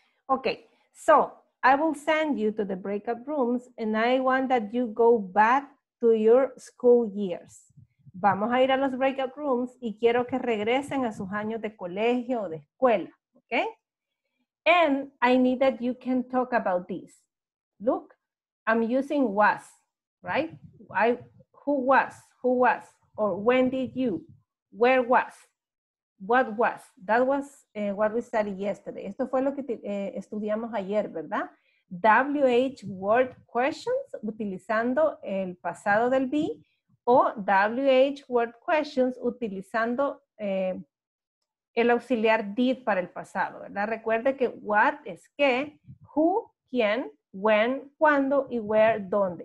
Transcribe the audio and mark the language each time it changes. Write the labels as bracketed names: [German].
[English] Okay, so I will send you to the breakout rooms and I want that you go back to your school years. [Spanish] Vamos a ir a los breakout rooms y quiero que regresen a sus años de colegio o de escuela, okay? [English] And I need that you can talk about this. Look, I'm using was, right? Who was, or when did you, where was, what was. That was what we studied yesterday. [Spanish] Esto fue lo que estudiamos ayer, ¿verdad? WH word questions utilizando el pasado del be o WH word questions utilizando el auxiliar did para el pasado, ¿verdad? Recuerde que what es qué, who, quién, when, cuándo y where, dónde.